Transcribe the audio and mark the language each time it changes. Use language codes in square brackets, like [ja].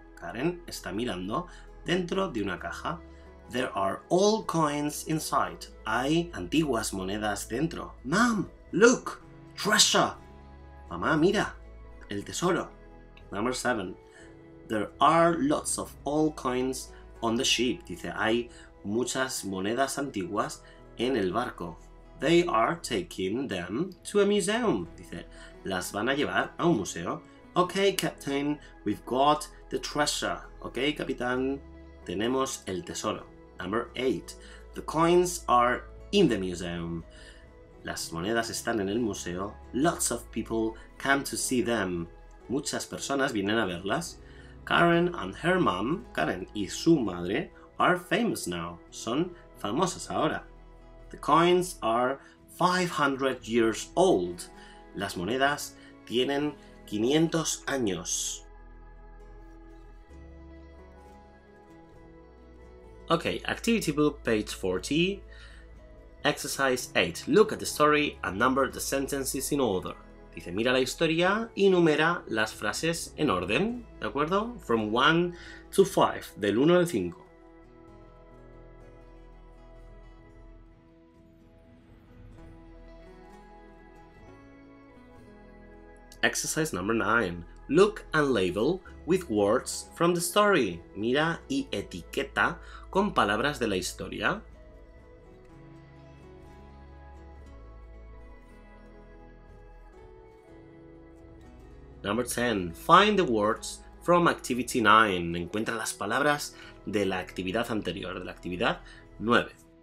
[es] Karen está mirando dentro de una caja. [en] There are old coins inside. [es] Hay antiguas monedas dentro. [en] Mom, look! Treasure! [es] Mamá, mira! El tesoro. [en] Number seven. There are lots of old coins on the ship. [es] Dice, hay muchas monedas antiguas en el barco. [en] They are taking them to a museum. [es] Dice, las van a llevar a un museo. [en] Okay, Captain, we've got the treasure. [es] Okay, Capitán, tenemos el tesoro. [en] Number eight. The coins are in the museum. [es] Las monedas están en el museo. [en] Lots of people come to see them. [es] Muchas personas vienen a verlas. [en] Karen and her mom, [es] Karen y su madre, [en] are famous now. [es] Son famosas ahora. [en] The coins are 500 years old. [es] Las monedas tienen 500 años. [en] Okay, activity book, page 40, exercise 8. Look at the story and number the sentences in order. [es] Dice, mira la historia y numera las frases en orden, ¿de acuerdo? [en] From 1 to 5, [es] del 1 al 5. [en] Exercise number 9. Look and label with words from the story. [es] Mira y etiqueta con palabras de la historia. [en] Number 10. Find the words from activity 9. [es] Encuentra las palabras de la actividad anterior, de la actividad 9.